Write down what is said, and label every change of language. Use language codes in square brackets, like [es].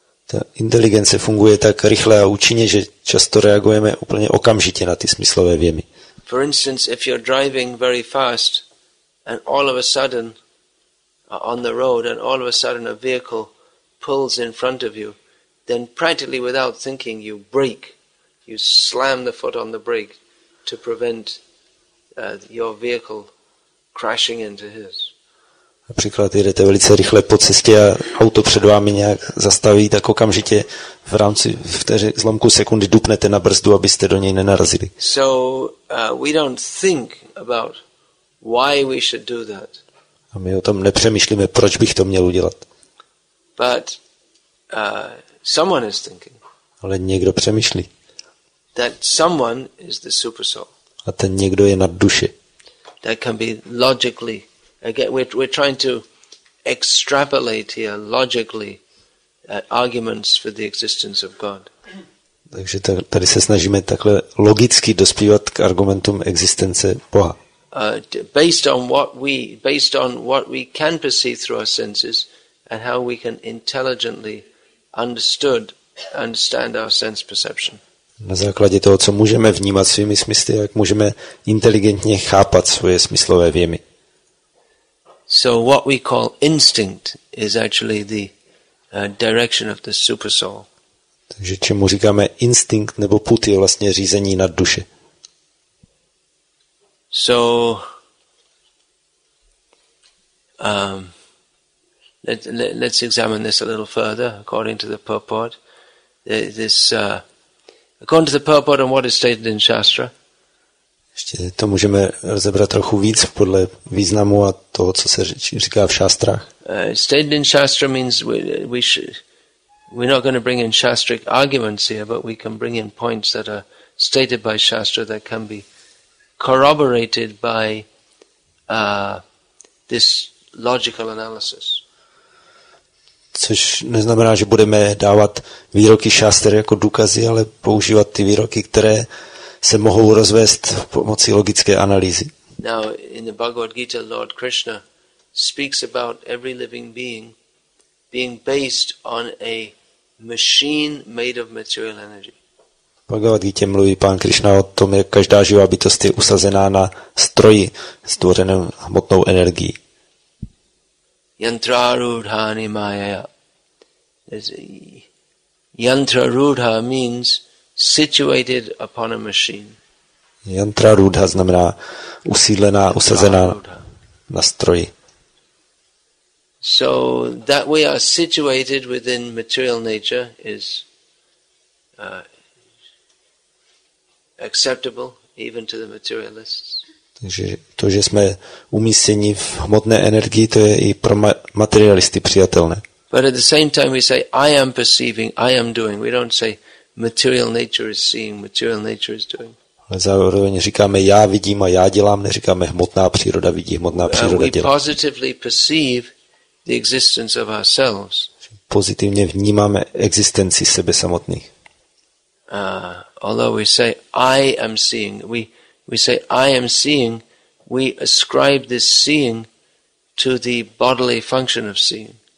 [cs] Ta inteligence funguje tak rychle a účinně, že často reagujeme úplně okamžitě na ty smyslové věmy. [en] For instance, if you're driving very fast and all of a sudden on the road and all of a sudden a vehicle pulls in front of you, then practically without thinking you brake. You slam the foot on the brake to prevent your vehicle crashing into his. [cs] Například jedete velice rychle po cestě a auto před vámi nějak zastaví, tak okamžitě v rámci zlomku sekundy dupnete na brzdu, abyste do něj nenarazili. [en] So we don't think about why we should do that. [cs] A my o tom nepřemýšlíme, proč bych to měl udělat. [en] But someone is thinking. [cs] Ale někdo přemýšlí. [en] That someone is the super soul. [cs] A ten někdo je nad duše. [en] That can be logically. Again, we're trying to extrapolate here logically arguments for the existence of God. [cs] Takže tady se snažíme takhle logicky dospívat k argumentům existence Boha. [en] Based on what we can perceive through our senses and how we can intelligently understand our sense perception. [cs] Na základě toho, co můžeme vnímat svými smysly, jak můžeme inteligentně chápat svoje smyslové věmy. [en] So what we call instinct is actually the direction of the supersoul. [cs] Takže čemu říkáme instinkt nebo put je vlastně řízení nad duše. [en] So let's examine this a little further according to the purport. According to the purport and what is stated in Shastra. [cs] Ještě to můžeme rozebrat trochu víc podle významu a toho, co se říká v šástrách. [en] Stated in Shastra means we're not going to bring in Shastric arguments here, but we can bring in points that are stated by Shastra that can be corroborated by this logical analysis. [cs] Což neznamená, že budeme dávat výroky šáster jako důkazy, ale používat ty výroky, které se mohou rozvést pomocí logické analýzy. [en] Now in the Bhagavad Gita, Lord Krishna speaks about every living being based on a machine made of material energy. [cs] V Bhagavad Gita mluví pán Krishna o tom, jak každá živá bytost je usazená na stroji stvořeném hmotnou energií. [sa] Yantra rudha ni maya. [en] Yantra rudha means situated upon a machine. [cs] Yantra rudha znamená usídlená, usazená na stroji. [en] So that we are situated within material nature is acceptable even to the materialists. [cs] Takže to, že jsme umístěni v hmotné energii, to je i pro materialisty přijatelné. [en] But at the same time we say I am perceiving, I am doing. We don't say material nature is seeing, material nature is doing. [cs] Ale zároveň říkáme já vidím a já dělám, neříkáme hmotná příroda vidí, hmotná příroda dělá. [en] We positively perceive the existence of ourselves. [cs] pozitivně vnímáme existenci sebe samotných. [en] Although we say I am seeing, we say I am seeing, we ascribe this seeing to the bodily function of seeing.